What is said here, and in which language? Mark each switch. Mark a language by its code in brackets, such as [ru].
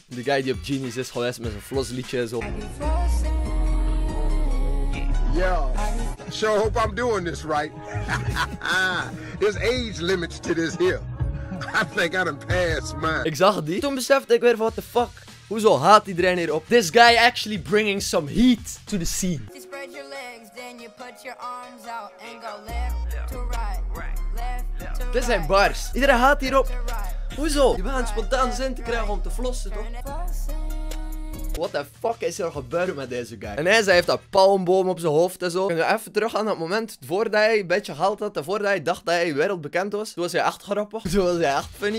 [nl] Die guy die op Genius is geweest met zijn floss liedje en zo. [en] Yo. Sure hope I'm doing this right. There's age limits to this here. I think I done passed mine. [nl] Ik zag die. Toen besefte ik weer van [en] what the fuck. [nl] Hoezo haat iedereen hierop? [en] This guy actually bringing some heat to the scene. You spread your legs, then you put your arms out and go left to right, left to right. [nl] Dit zijn bars. Iedereen haat hierop. Hoezo? Je bent spontaan zin te krijgen om te flossen, toch? [en] what the fuck [nl] is er gebeurd met deze guy? En hij heeft dat palmboom op zijn hoofd en zo. Kun je even terug aan dat moment, voordat hij een beetje geld had en voordat hij dacht dat hij wereldbekend was? Toen was hij echt grappig. Toen was hij echt funny.